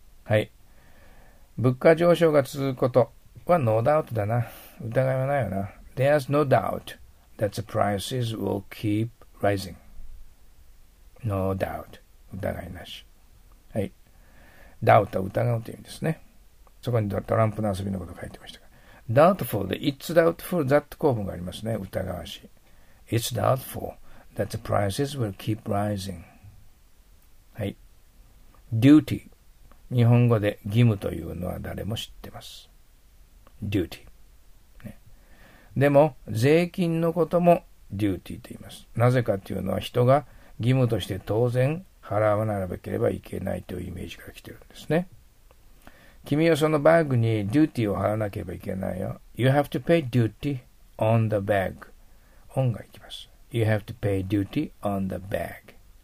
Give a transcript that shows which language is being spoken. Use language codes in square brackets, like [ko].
[ja] はい。物価上昇が続くことはノーダウトだな。疑いはないよな。 [en] There's no doubt that the prices will keep rising. No doubt. [ja] 疑いなし。はい。 doubt は疑うという意味ですね。そこにトランプの遊びのことを書いてましたが。 doubtful で、 [en] it's doubtful that [ja] 構文がありますね。疑わしい。 [en] It's doubtful that the prices will keep rising. [ja] はい。duty。日本語で義務というのは誰も知ってます。 [en] duty。 [ja] でも、税金のこともデューティーと言います。なぜかというのは、人が義務として当然払わなければいけないというイメージから来ているんですね。君はそのバッグにデューティーを払わなければいけないよ。 [en] You have to pay duty on the bag. [ja] オンが行きます。 [en] You have to pay duty on the bag.